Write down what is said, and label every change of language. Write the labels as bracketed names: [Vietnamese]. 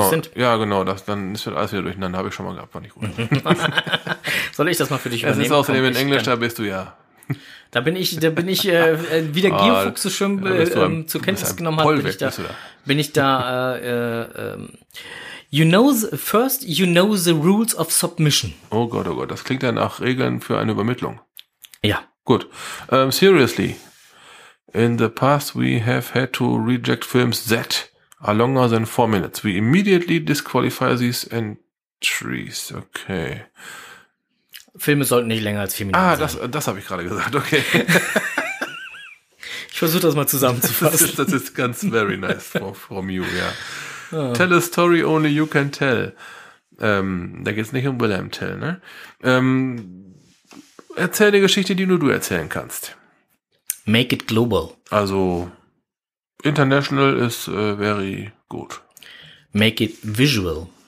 [German] Das sind. Ja, genau. Dann ist alles wieder durcheinander. Habe ich schon mal gehabt. War nicht gut. Soll ich das mal für dich übernehmen? Es ist außerdem in Englisch, da bist du ja. Da bin ich wie der Geofuchs so schön zur Kenntnis genommen hat, bin ich da. [English] You know the rules of submission. [German] Oh Gott. Das klingt ja nach Regeln für eine Übermittlung. Ja. Gut. Seriously. [English] In the past, we have had to reject films that are longer than 4 minutes. We immediately disqualify these entries. [German] Okay. Filme sollten nicht länger als 4 Minuten sein. Das habe ich gerade gesagt. Okay. Ich versuche das mal zusammenzufassen. Das ist ganz [English] very nice from you, [German] ja. Oh. [English] Tell a story only you can tell. [German] Da geht es nicht um Wilhelm Tell, ne? Erzähl eine Geschichte, die nur du erzählen kannst. [English] Make it global. [German] Also international ist [English] very good. Make it visual.